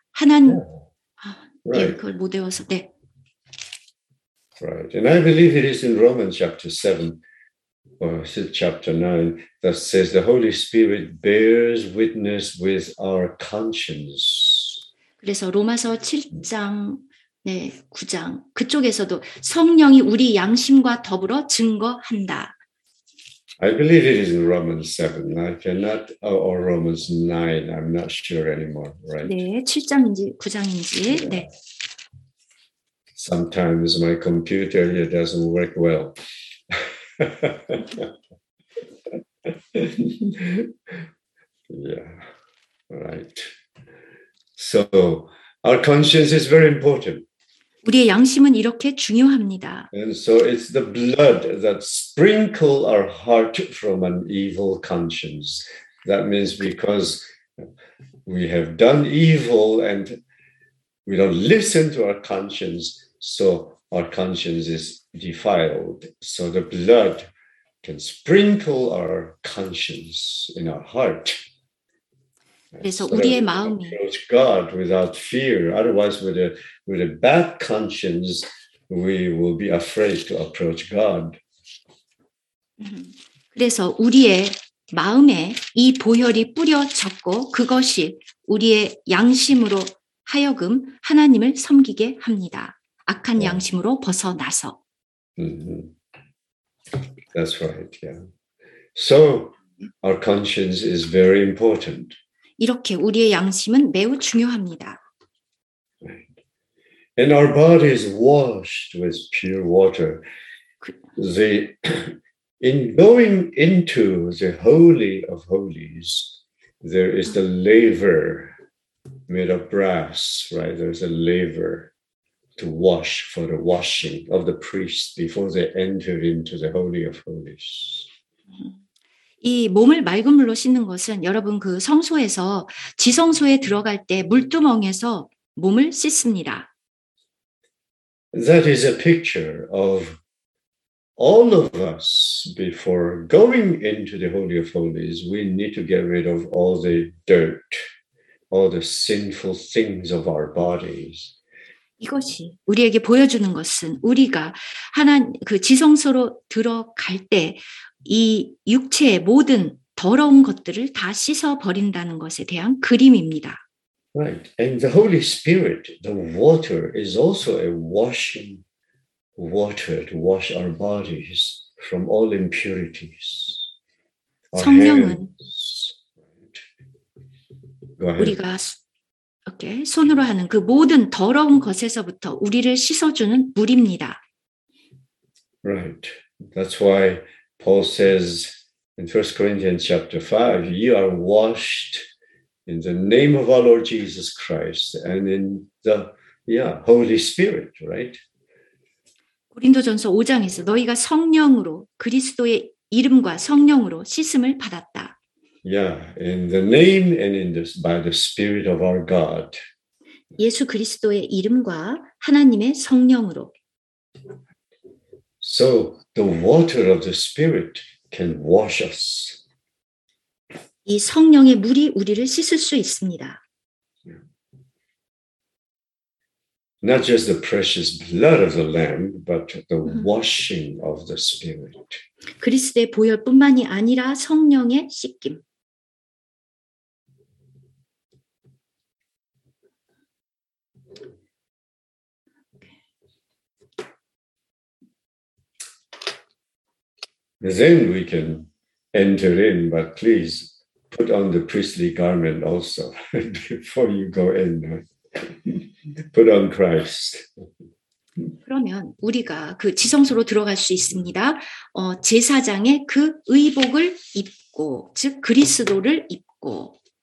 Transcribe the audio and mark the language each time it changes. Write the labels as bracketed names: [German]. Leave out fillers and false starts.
[Korean] 하나님 [English] Right. [Korean] 예, 그걸 못 외워서 네. [English] Right. And I believe it is in Romans chapter 7. Or chapter 9, that says the Holy Spirit bears witness with our conscience. [Korean] 그래서 로마서 7장, 네, 9장 그쪽에서도 성령이 우리 양심과 더불어 증거한다. [English] I believe it is in Romans 7. I cannot, or Romans 9. I'm not sure anymore, right? [Korean] 네, 7장인지 9장인지, yeah. 네. [English] Sometimes my computer here doesn't work well. yeah, right. So our conscience is very important. [Korean] 우리의 양심은 이렇게 중요합니다. [English] And so it's the blood that sprinkles our heart from an evil conscience. That means because we have done evil and we don't listen to our conscience, so our conscience is defiled. So the blood can sprinkle our conscience in our heart. [Korean] 그래서 우리의 마음이 [English] approach God without fear. Otherwise, with a bad conscience, we will be afraid to approach God. [Korean] 그래서 우리의 마음에 이 보혈이 뿌려졌고 그것이 우리의 양심으로 하여금 하나님을 섬기게 합니다. 악한 양심으로 벗어나서. [English] That's right. Yeah. So our conscience is very important. [Korean] 이렇게 우리의 양심은 매우 중요합니다. [English] And our body is washed with pure water. The in going into the holy of holies, there is the laver made of brass. Right? There's a laver. To wash for the washing of the priest before they enter into the holy of holies. [Korean] 이 몸을 맑은 물로 씻는 것은 여러분 그 성소에서 지성소에 들어갈 때 물두멍에서 몸을 씻습니다. [English] That is a picture of all of us before going into the holy of holies. We need to get rid of all the dirt, all the sinful things of our bodies. [Korean] 이것이 우리에게 보여주는 것은 우리가 하나님 그 지성소로 들어갈 때 이 육체의 모든 더러운 것들을 다 씻어 버린다는 것에 대한 그림입니다. [English] Right. And the Holy Spirit, the water is also a washing water to wash our bodies from all impurities. [Korean] 성령은 우리가 손으로 하는 그 모든 더러운 것에서부터 우리를 씻어주는 물입니다. [English] Right. That's why Paul says in 1 Corinthians chapter 5, you are washed in the name of our Lord Jesus Christ and in the Holy Spirit, right? [Korean] 고린도전서 5장에서 너희가 성령으로 그리스도의 이름과 성령으로 씻음을 받았다. [English] Yeah, in the name and in this by the Spirit of our God. [Korean] 예수 그리스도의 이름과 하나님의 성령으로. [English] So the water of the Spirit can wash us. [Korean] 이 성령의 물이 우리를 씻을 수 있습니다. [English] Not just the precious blood of the Lamb, but the washing of the Spirit. [Korean] 그리스도의 보혈뿐만이 아니라 성령의 씻김. [English] Then we can enter in, but please put on the priestly garment also before you go in. Put on Christ. [Korean] 그러면 우리가 그 지성소로 들어갈 수 있습니다. 제사장의 그 의복을 입고, 즉 그리스도를 입고.